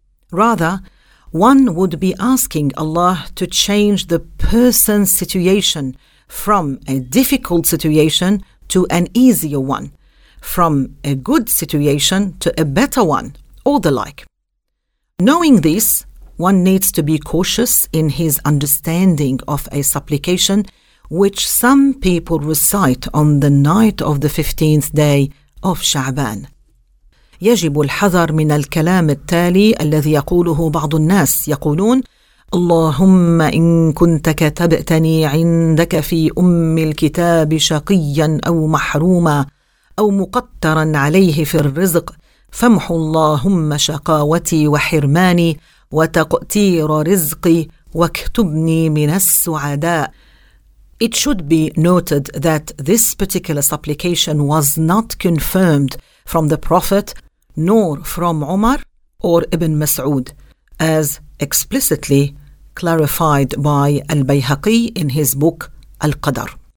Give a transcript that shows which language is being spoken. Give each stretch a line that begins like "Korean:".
English: Rather, one would be asking Allah to change the person's situation from a difficult situation to an easier one, from a good situation to a better one, or the like. Knowing this, one needs to be cautious in his understanding of a supplication which some people recite on the night of the 15th day of Sha'ban.
Arabic: يجب الحذر من الكلام التالي الذي يقوله بعض الناس يقولون اللهم إن كنت كتبتني عندك في أم الكتاب شقيا أو محروما أو مقترا عليه في الرزق فامحو اللهم شقاوتي وحرماني وتقتير رزقي واكتبني من السعداء.
English: It should be noted that this particular supplication was not confirmed from the Prophet nor from Umar or Ibn Mas'ud, as explicitly clarified by Al-Bayhaqi in his book Al-Qadr.